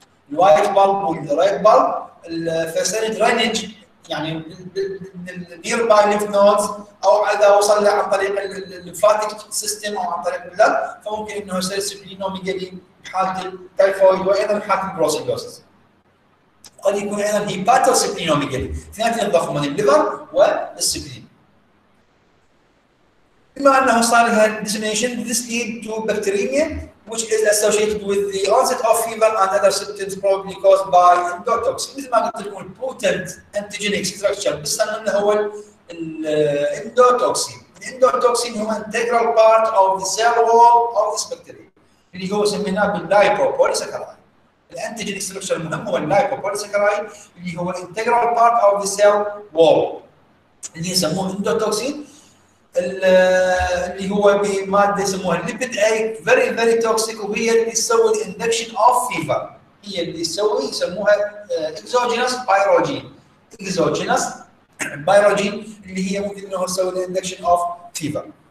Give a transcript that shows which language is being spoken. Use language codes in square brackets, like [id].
[ar] الوايت بالب والريد بالب، فيصير درينج يعني من النير باي ليف نودز او اذا وصل له عن طريق الليمفاتيك سيستم او عن طريق البلد، فممكن انه يصير سبلين او ميجل حاله التايفويد وايضا حاله البروسيلوسيس. قد يكون ايضا هيباتو سبلينوميجالي، اثنين ضخمة من الليفر والسبلين. بما انه صار لها ديسيميشن، [en] this lead to bacteremia which is associated with the onset of fever and other symptoms probably caused by endotoxin. [ar] مثل ما قلت لكم البوتنت انتيجينيك ستراكشر بالسنة اللي هو الاندوتوكسين. الاندوتوكسين هو [en] integral part of the cell wall of this bacteria. [ar] اللي هو سميناه باللايبوبوليسكارايد. الانتيجين ستراكشر المهم هو اللايبوبوليسكارايد اللي هو [en] integral part of the cell wall [ar] اللي يسموه اندوتوكسين، اللي هو بماده يسموها ليبيد اي [en] very very toxic, [ar] وهي اللي تسوي [en] الاندكشن of fever, [ar] هي اللي تسوي يسموها اكزوجينس بايروجين، اكزوجينس بايروجين اللي هي ممكن انه تسوي الاندكشن اوف فيفر.